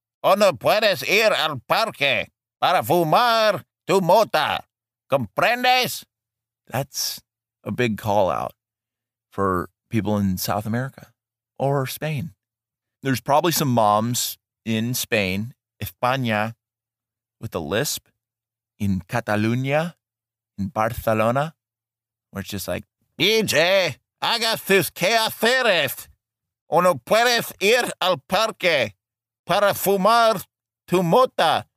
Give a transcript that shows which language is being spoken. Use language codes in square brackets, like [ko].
[es] O no puedes ir al parque para fumar tu mota. Comprendes? [en] That's a big call out for people in South America or Spain. There's probably some moms in Spain, España, with a lisp, in Catalunya, in Barcelona, where it's just like, [es] BJ, haga sus quehaceres. O no puedes ir al parque para fumar tu mota.